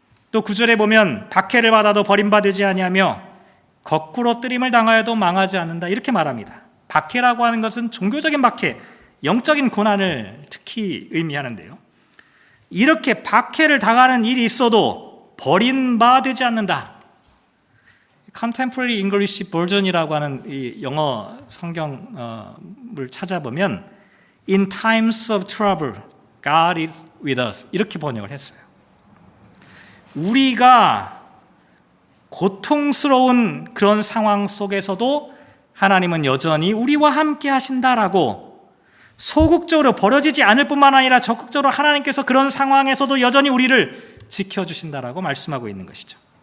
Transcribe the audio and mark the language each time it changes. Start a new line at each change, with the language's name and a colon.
Korean: 또 9절에 보면 박해를 받아도 버림받지 아니하며 거꾸로 뜨림을 당하여도 망하지 않는다 이렇게 말합니다. 박해라고 하는 것은 종교적인 박해, 영적인 고난을 특히 의미하는데요. 이렇게 박해를 당하는 일이 있어도 버림받지 않는다. Contemporary English Version이라고 하는 이 영어 성경을 찾아보면
English: In times of trouble, God is with us
Korean: 이렇게 번역을 했어요. 우리가 고통스러운 그런 상황 속에서도 하나님은 여전히 우리와 함께 하신다라고 소극적으로 버려지지 않을 뿐만 아니라 적극적으로 하나님께서 그런 상황에서도 여전히 우리를 지켜주신다라고 말씀하고 있는 것이죠.